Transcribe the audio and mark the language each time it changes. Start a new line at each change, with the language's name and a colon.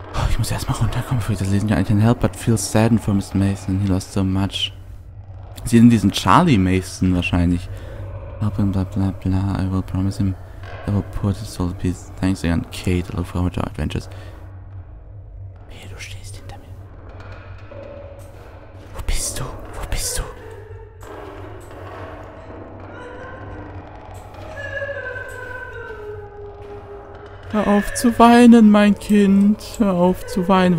German: Ich muss erstmal runterkommen, bevor ich das lesen kann.
English: I can help but feel saddened for Mr. Mason. He lost so much.
German: Sie sind diesen Charlie Mason wahrscheinlich.
English: Help him, bla bla bla. I will promise him. I will put his soul to peace. Thanks again, Kate. I look forward to our adventures.
German: Hey, du stehst hinter mir. Wo bist du? Wo bist du? Hör auf zu weinen, mein Kind. Hör auf zu weinen.